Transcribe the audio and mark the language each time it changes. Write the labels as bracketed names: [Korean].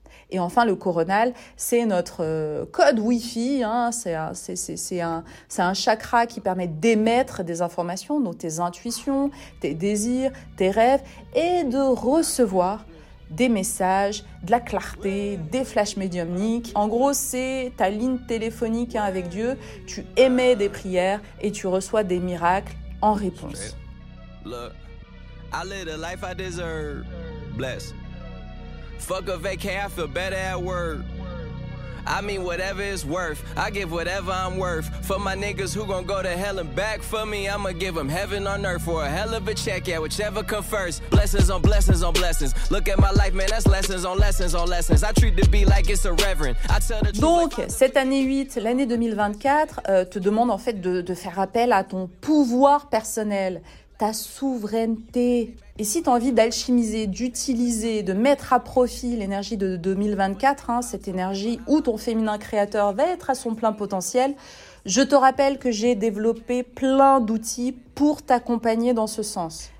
[French] Et enfin, le coronal, c'est notre code Wi-Fi, hein, c'est un chakra qui permet d'émettre des informations, donc tes intuitions, tes désirs, tes rêves, et de recevoir des messages, de la clarté, des flashs médiumniques. En gros, c'est ta ligne téléphonique, hein, avec Dieu. Tu émets des prières et tu reçois des miracles en réponse. [English] Look, I live the life I deserve. Bless. Fuck a vacay, I feel better at work. I mean whatever it's worth. I give whatever I'm worth. For my niggas who gon' go to hell and back for me, I'ma give them heaven on earth for a hell of a check. Yeah, whichever come first. Blessings on blessings on blessings. Look at my life, man, that's lessons on lessons on lessons. I treat the beat like it's a reverend. I tell the truth. [French] Donc, cette année 8, l'année 2024, te demande en fait de faire appel à ton pouvoir personnel, ta souveraineté. Et si tu as envie d'alchimiser, d'utiliser, de mettre à profit l'énergie de 2024, hein, cette énergie où ton féminin créateur va être à son plein potentiel, je te rappelle que j'ai développé plein d'outils pour t'accompagner dans ce sens.